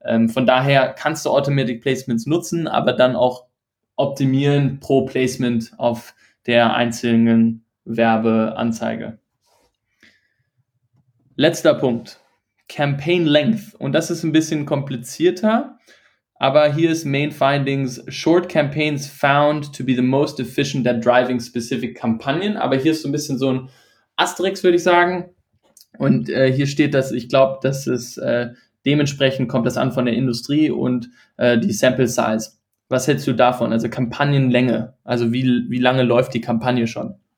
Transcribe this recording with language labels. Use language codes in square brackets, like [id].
[de] Von daher kannst du Automated Placements nutzen, aber dann auch optimieren pro Placement auf der einzelnen Werbeanzeige. Letzter Punkt. Campaign Length. Und das ist ein bisschen komplizierter, aber hier ist Main Findings. [en] Short Campaigns found to be the most efficient at driving specific Kampagnen. [de] Aber hier ist so ein bisschen so ein Asterix, würde ich sagen. Und hier steht, dass ich glaube, dass es dementsprechend kommt das an von der Industrie und die Sample Size. Was hältst du davon? Also Kampagnenlänge. Also wie lange läuft die Kampagne schon?